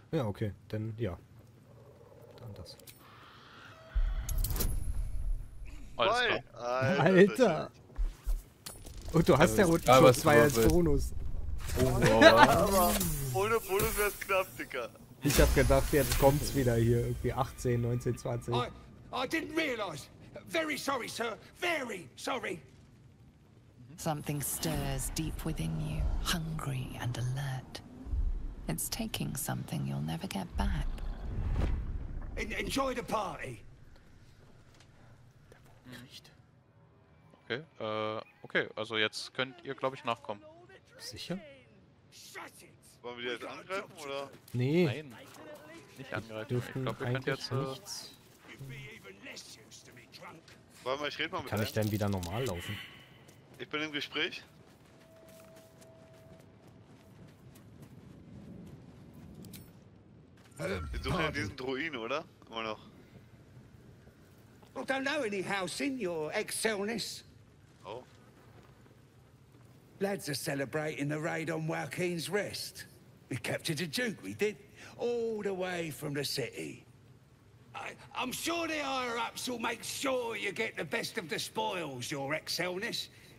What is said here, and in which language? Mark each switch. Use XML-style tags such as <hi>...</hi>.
<de>Ja, okay, dann ja. Dann das. Alles klar. Alter! Und du hast ja unten schon 2 als Bonus. Oh, wow. Ohne Bonus wäre es knapp, Digga. Ich habe gedacht, jetzt kommt's wieder hier. Irgendwie 18, 19, 20.</de> <en>I didn't realize. Very sorry, sir. Very sorry. Something stirs deep within you, hungry and alert. It's taking something you'll never get back. Enjoy the party!</en> <de>Nicht. Okay, okay, also jetzt könnt ihr, glaube ich, nachkommen. Sicher? Wollen wir die jetzt angreifen, oder? Nee. Nein. Nicht angreifen. Ich glaube, wir könnt jetzt. Nichts. Warte mal, ich rede mal mit dir. Kann ich denn wieder normal laufen? Ich bin im Gespräch. Wir suchen ja diesen Druiden, oder? Immer noch.</de> <en>I don't know any house in your Excelness.</en> <de>Oh.</de> <en>Lads are celebrating the raid on Joaquin's Rest. We captured a duke, we did. All the way from the city. I'm sure the higher-ups will make sure you get the best of the spoils, your Excelness.</en>